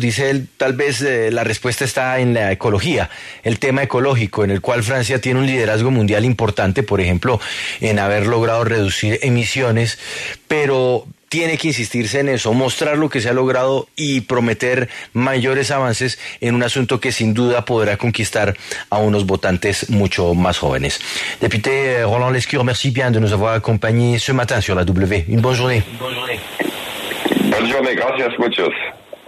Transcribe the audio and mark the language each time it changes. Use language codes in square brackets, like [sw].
[es] Dice él, tal vez la respuesta está en la ecología, el tema ecológico, en el cual Francia tiene un liderazgo mundial importante, por ejemplo, en haber logrado reducir emisiones, pero tiene que insistirse en eso, mostrar lo que se ha logrado y prometer mayores avances en un asunto que sin duda podrá conquistar a unos votantes mucho más jóvenes. [fr] Député Roland Lescure, merci bien de nous avoir accompagné ce matin sur la W. Une bonne journée. Bonne journée, [es] gracias, muchos.